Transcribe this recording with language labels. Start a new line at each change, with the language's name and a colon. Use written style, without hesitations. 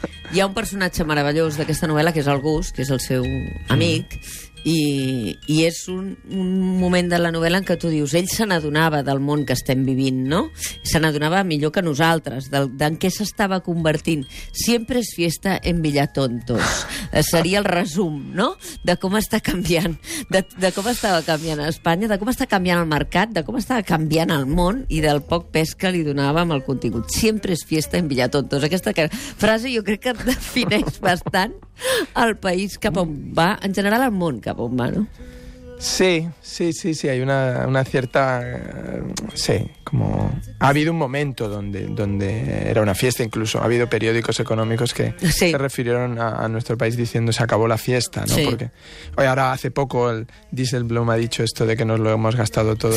Catalan: Hi ha un personatge meravellós d'aquesta novel·la, que és el Gus, que és el seu amic, i és un moment de la novel·la en què tu dius, ell se n'adonava del món que estem vivint, no? Se n'adonava millor que nosaltres, d'en què s'estava convertint.
Spanish: Siempre es fiesta en Villatontos.
Catalan: Seria el resum, no? De com està canviant, de com estava canviant Espanya, de com està canviant el mercat, de com estava canviant el món i del poc pes que li donava amb el contingut.
Spanish: Siempre es fiesta en Villatontos.
Catalan: Aquesta frase jo crec que defineix bastant el país cap on va, en general el món cap on va, no?
Spanish: Sí, sí, sí, sí, hay una cierta... sí, como... Ha habido un momento donde era una fiesta, incluso ha habido periódicos económicos que sí. se refirieron a nuestro país diciendo se acabó la fiesta, ¿no? Sí. Porque hoy ahora hace poco el Dieselbloom ha dicho esto de que nos lo hemos gastado todos